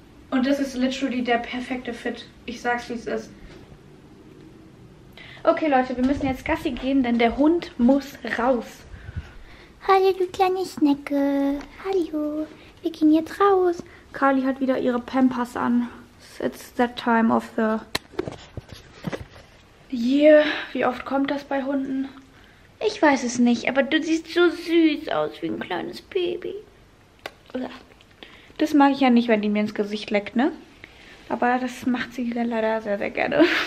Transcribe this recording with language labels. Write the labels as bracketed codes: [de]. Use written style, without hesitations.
[de] Und das ist literally der perfekte Fit. Ich sag's, wie es ist. Okay, Leute, wir müssen jetzt Gassi gehen, denn der Hund muss raus. Hallo, du kleine Schnecke. Hallo. Wir gehen jetzt raus. Carly hat wieder ihre Pampers an. [en] It's that time of the year. [de] Wie oft kommt das bei Hunden? Ich weiß es nicht, aber du siehst so süß aus wie ein kleines Baby. Oder? Das mag ich ja nicht, wenn die mir ins Gesicht leckt, ne? Aber das macht sie dann leider sehr, sehr gerne.